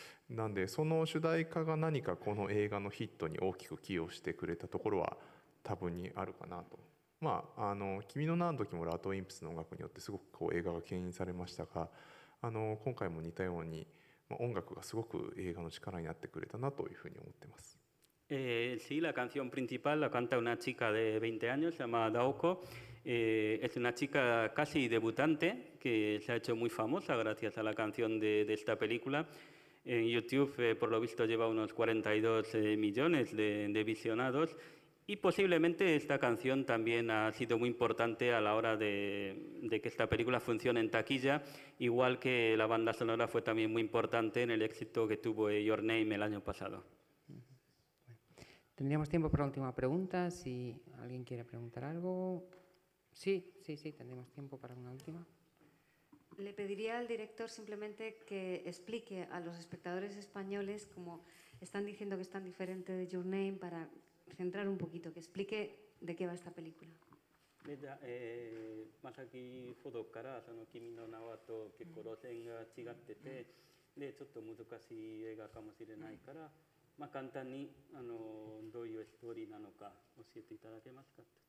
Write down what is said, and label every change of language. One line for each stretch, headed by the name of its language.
Japanese: なんで、その主題歌が何かこの映画のヒットに大きく寄与してくれたところは多分にあるかなと。まあ、君の名の時もラトウインプスの音楽によってすごくこう映画が牽引されましたが、今回も似たように、まあ、音楽がすごく映画の力になってくれたなというふうに思ってます。
Spanish: Sí, la canción principal la canta una chica de 20 años, se llama Daoko. Es una chica casi debutante que se ha hecho muy famosa gracias a la canción de esta película. En YouTube, por lo visto, lleva unos 42 millones de visionados. Y posiblemente esta canción también ha sido muy importante a la hora de que esta película funcione en taquilla, igual que la banda sonora fue también muy importante en el éxito que tuvo Your Name el año pasado. Tendríamos tiempo para la última pregunta, si alguien quiere preguntar algo. Sí, sí, sí, tendríamos tiempo para una última. Le pediría al director simplemente que explique a los espectadores españoles, como están diciendo que es tan diferente de Your Name, para centrar un poquito, que explique de qué va esta película. Mira, más aquí, Fodo Kara, Sano Kimino Nawato, que conocen a Chigatete, de hecho, tomo tu casi llega a Kamosire Naikara.
Japanese: まあ、簡単にあのどういうストーリーなのか教えていただけますか。